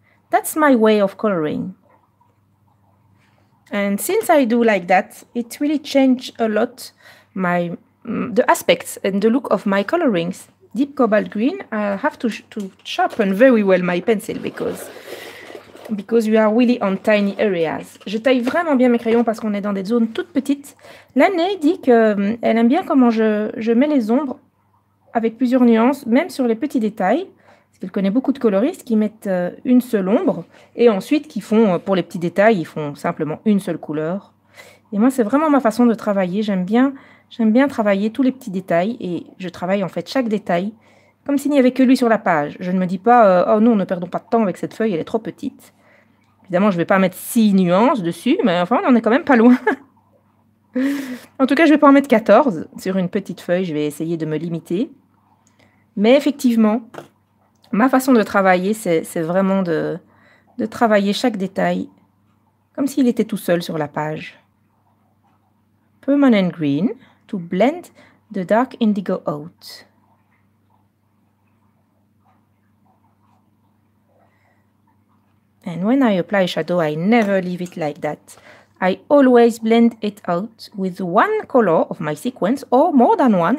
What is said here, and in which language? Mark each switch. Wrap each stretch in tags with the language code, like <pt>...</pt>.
<en>That's my way of coloring. And since I do like that, it really changed a lot the aspects and the look of my colorings. Deep cobalt green, I have to sharpen very well my pencil because we are really on tiny areas.</en> <fr>Je taille vraiment bien mes crayons parce qu'on est dans des zones toutes petites. Lane dit qu'elle aime bien comment je mets les ombres avec plusieurs nuances, même sur les petits détails. Parce qu'elle connaît beaucoup de coloristes qui mettent une seule ombre et ensuite qui font, pour les petits détails, ils font simplement une seule couleur. Et moi, c'est vraiment ma façon de travailler. J'aime bien travailler tous les petits détails et je travaille en fait chaque détail comme s'il n'y avait que lui sur la page. Je ne me dis pas, oh non, ne perdons pas de temps avec cette feuille, elle est trop petite. Évidemment, je ne vais pas mettre 6 nuances dessus, mais enfin, on n'en est quand même pas loin. En tout cas, je ne vais pas en mettre 14 sur une petite feuille, je vais essayer de me limiter. Mais effectivement, ma façon de travailler, c'est vraiment de travailler chaque détail comme s'il était tout seul sur la page.</fr> <en>Permanent green to blend the dark indigo out. And when I apply shadow, I never leave it like that. I always blend it out with one color of my sequence or more than one.</en>